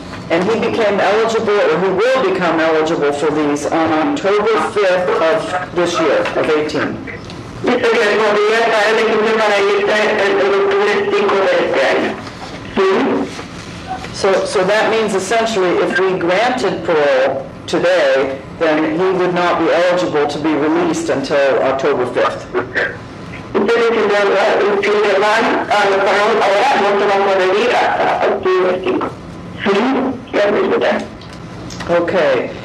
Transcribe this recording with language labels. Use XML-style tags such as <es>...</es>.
<en>And he became eligible, or he will become eligible for these on October 5th of this year, of 18.</en> <es>Dice que podría estar elegible para irse el octubre 5 de este año.</es> <en>So that means essentially if we granted parole today, then he would not be eligible to be released until October 5th. Okay.</en>